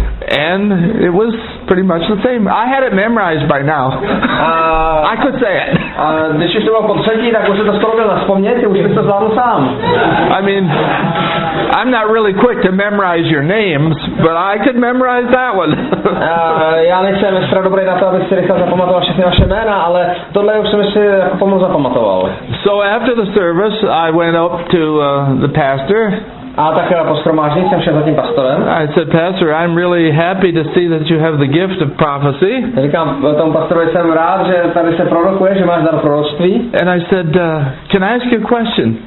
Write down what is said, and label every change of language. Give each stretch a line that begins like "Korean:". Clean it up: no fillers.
English: And it was pretty much the same. I had it memorized by now. I could say it.
Czech: Když už to bylo po třetí, tak už se to skoro nedá vzpomnět, už bych to zvládl sám.
English: I mean, I'm not really quick to memorize your names, but I could memorize that one.
Czech: Já nejsem extra dobrý na to, abych si rychle zapamatoval všechny vaše jména, ale tohle už jsem si pomalu zapamatoval.
English: So after the service, I went up to the pastor.
Czech: A tak po shromáždění jsem šel za tím pastorem.
English: I said, Pastor, I'm really happy to see that you have the gift of prophecy.
Czech: Říkám tomu pastorovi, jsem rád, že tady se prorokuje, že máš dar proroctví.
English: And I said, can I ask you a question?